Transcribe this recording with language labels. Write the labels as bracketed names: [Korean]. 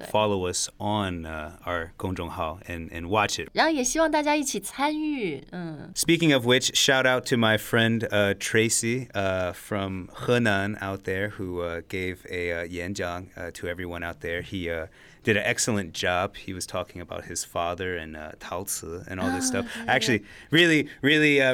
[English] Follow us on our 公众号 and watch it. [Chinese] 然后也希望大家一起参与。 [English] Speaking of which, shout out to my friend Tracy from Henan out there, who gave a 演讲 to everyone out there. He did an excellent job. He was talking about his father and Tao Ci and all this stuff. Yeah, actually, yeah.